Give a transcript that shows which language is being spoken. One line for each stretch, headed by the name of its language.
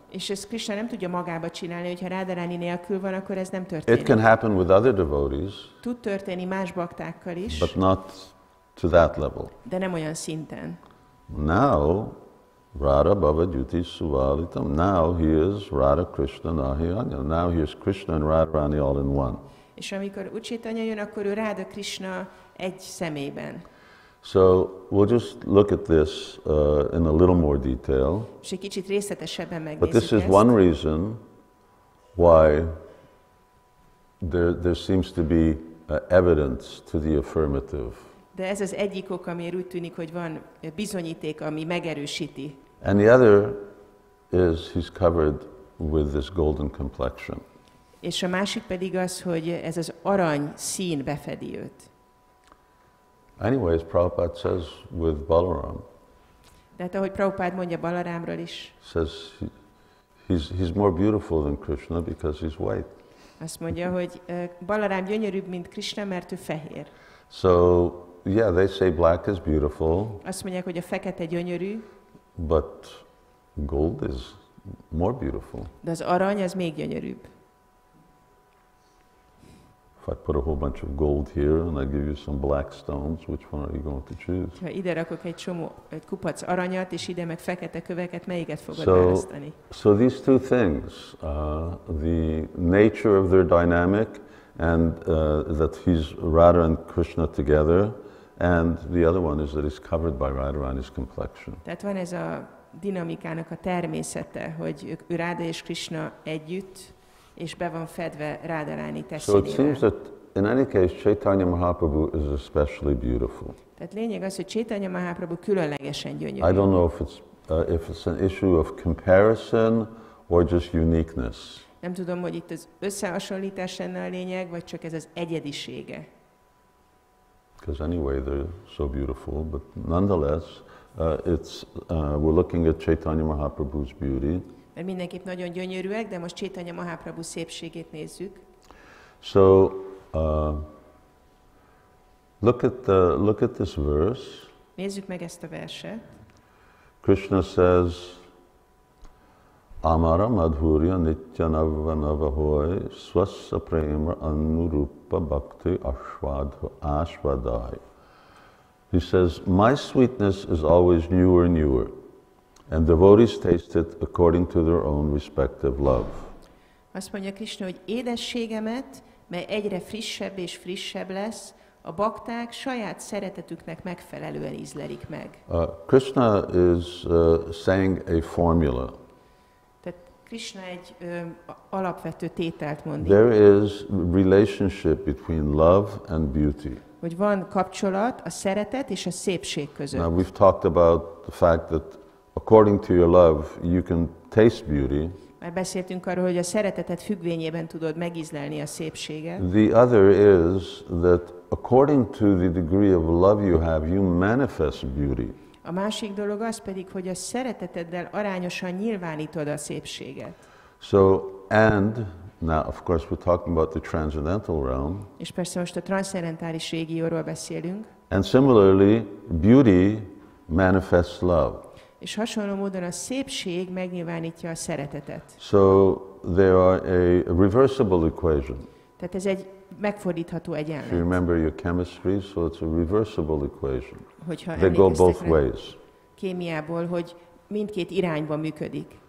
Hungarian: És ezt Krishna nem tudja magába csinálni, hogyha Radharani nélkül van, akkor ez nem történik.
English: It can happen with other devotees.
Hungarian: Tud történni más baktákkal is.
English: But not to that level.
Hungarian: De nem olyan szinten.
Sanskrit: Now, Radha Bhava Jyoti Suvalitam.
English: Now he is Radha Krishna Nahiyanya. Now he is Krishna and Radharani all in one.
Hungarian: És amikor Uchitanya jön, akkor ő Radha Krishna egy személyben.
English: So we'll just look at this in a little more detail.
Hungarian: És egy kicsit részletesebben megnézzük.
English: But this is one reason why there seems to be evidence to the affirmative.
Hungarian: De ez az egyik ok, amiért úgy tűnik, hogy van bizonyíték, ami megerősíti.
English: And the other is he's covered with this golden complexion.
Hungarian: És a másik pedig az, hogy ez az arany szín befedi őt.
English: Anyways, Prabhupada says with Balaram.
Hungarian: De hát, ahogy Prabhupada mondja Balarámról is.
English: Says he's more beautiful than Krishna because he's white.
Hungarian: Azt mondja, hogy Balarám gyönyörűbb, mint Krishna, mert ő fehér.
English: So yeah, they say black is beautiful.
Hungarian: Azt mondják, hogy a fekete gyönyörű.
English: But gold is more beautiful.
Hungarian: De az arany az még gyönyörűbb.
English: If I put a whole bunch of gold here and I give you some black stones, which one are you going to choose?
Hungarian: Ha ide rakok egy csomó, egy kupac aranyat, és ide meg fekete köveket, melyiket fogod választani?
English: So these two things, the nature of their dynamic, and that he's Radha and Krishna together, and the other one is that he's covered by Radharani's complexion.
Hungarian: Tehát van ez a dinamikának a természete, hogy ő Radha és Krishna együtt, és be van fedve Radharani testére.
English: So it seems that in any case Chaitanya Mahaprabhu is especially beautiful.
Hungarian: Tehát lényeg az, hogy Chaitanya Mahaprabhu különlegesen gyönyörű.
English: I don't know if it's an issue of comparison or just uniqueness.
Hungarian: Nem tudom, hogy itt az összehasonlítás lenne a lényeg, vagy csak ez az egyedisége.
English: Because anyway they're so beautiful, but nonetheless we're looking at Chaitanya Mahaprabhu's beauty.
Hungarian: Mert mindenképp nagyon gyönyörűek, de most Chaitanya Mahaprabhu szépségét nézzük.
English: So, look at this verse.
Hungarian: Nézzük meg ezt a verset.
English: Krishna says,
Sanskrit: Amara madhurya nityanavanavahoy swasa prema anurupa bhakti ashvadai.
English: He says, my sweetness is always newer and newer. And devotees taste it according to their own respective love.
Hungarian: Azt mondja Krishna, hogy édességemet, mely egyre frissebb és frissebb lesz, a bakták saját szeretetüknek megfelelően ízlelik meg.
English: Krishna is saying a formula.
Hungarian: Tehát Krishna egy alapvető tételt mondja.
English: There is relationship between love and beauty.
Hungarian: Hogy van kapcsolat a szeretet és a szépség között.
English: Now we've talked about the fact that according to your love, you can taste beauty.
Hungarian: Már beszéltünk arról, hogy a szeretetet függvényében tudod megízlelni a szépséget.
English: The other is that according to the degree of love you have, you manifest beauty.
Hungarian: A másik dolog az pedig, hogy a szereteteddel arányosan nyilvánítod a szépséget.
English: So, and now of course we're talking about the transcendental realm.
Hungarian: És persze most a transzcendentális régióról beszélünk.
English: And similarly, beauty manifests love.
Hungarian: És hasonló módon a szépség megnyilvánítja a szeretetet.
English: So there are a reversible equation.
Hungarian: Tehát ez egy megfordítható egyenlet.
English: If you remember your chemistry, so it's a reversible equation.
Hungarian: Hogyha
English: they go both ways.
Hungarian: Kémiából, hogy mindkét irányba működik.